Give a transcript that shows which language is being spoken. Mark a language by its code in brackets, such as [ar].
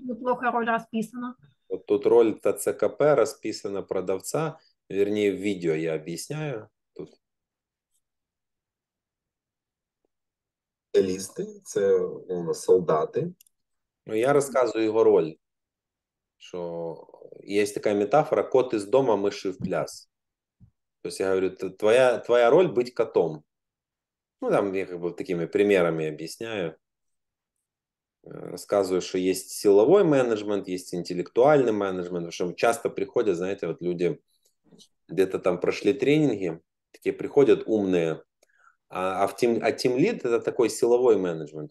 [ru] неплохо роль расписана. ТЦКП расписана продавца. Вернее, в видео я объясняю. [uk] Тут листи, це у нас солдати. Ну, я розказую його роль. Що є така метафора: кот із дома, миші в пляс. Тобто я говорю, твоя роль бути котом. [ru] Ну, там я как бы такими примерами объясняю. Рассказываю, что есть силовой менеджмент, есть интеллектуальный менеджмент. В общем, часто приходят, знаете, вот люди где-то там прошли тренинги, такие приходят умные, а Team Lead — это такой силовой менеджмент.